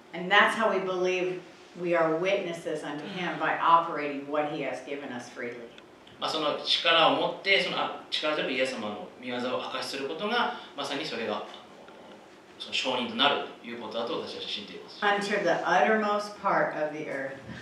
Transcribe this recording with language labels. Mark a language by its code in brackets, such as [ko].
[en] And that's how we believe. We are witnesses unto him by operating what he has given us freely. [ja] まあその力を持ってその力でイエス様の御業を証しすることがまさにそれがその証人となるということだと私は信じています。 [en] Unto the uttermost part of the earth.